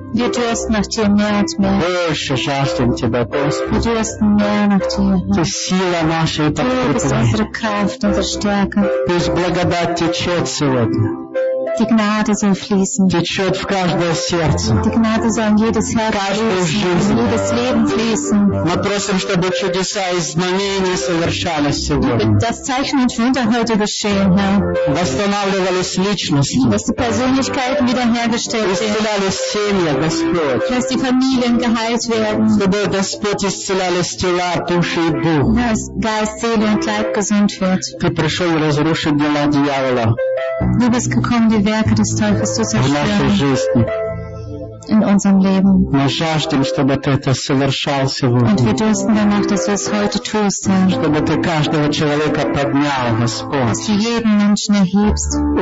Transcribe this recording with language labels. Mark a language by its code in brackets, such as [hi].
[ru] Больше жаждем Тебя, Господи. Ты сила нашей подкрепления. Пусть благодать течет сегодня. [de] Die Gnade soll fließen. [ru] Течет в каждое сердце. [de] Die Gnade soll jedes Herz fließen. Jedes Leben fließen. [ru] Мы просим, чтобы чудеса и знамения совершались сегодня. [de] Das Zeichen und Wunder heute geschehen, Herr. [ru] Восстанавливались личности. [de] Dass die Persönlichkeiten wiederhergestellt werden. [ru] Исцелялись семьи, Господь. [de] Dass die Familien geheilt werden. [ru] Чтобы Господь исцелялись тела, души и дух. [de] Dass Geist, Seele und Leib gesund wird. [ru] Ты пришел разрушить дела дьявола. [de] Du bist gekommen, die Werke des Teufels zu zerstören. In unserem Leben. Und wir dürsten danach, dass du es heute tust, Herr. Dass du jeden Menschen erhebst.